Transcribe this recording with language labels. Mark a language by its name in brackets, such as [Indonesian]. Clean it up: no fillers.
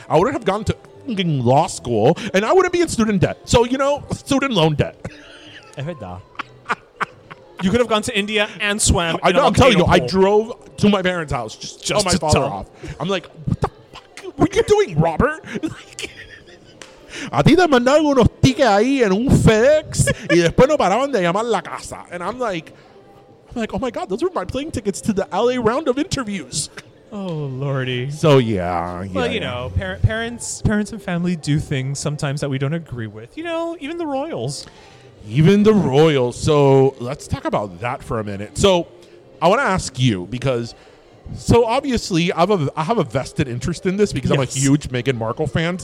[English] I would have gone to law school, and I wouldn't be in student debt. So, you know, student loan debt. [Spanish] Es verdad. [English] You could have gone to India and swam. I know, I'm telling you, I drove to my parents' house just to tell off. I'm like, what the fuck? What are you doing, Robert? [Spanish] A ti te mandaron unos tickets ahí en un FedEx y después no paraban de llamar la casa. [English] And I'm like, oh my God, those were my plane tickets to the LA round of interviews. Oh, Lordy. So, yeah. Well, you know, parents and family do things sometimes that we don't agree with. You know, even the royals. Even the royals. So let's talk about that for a minute. So I want to ask you because, so obviously I have a vested interest in this because I'm a huge Meghan Markle fan.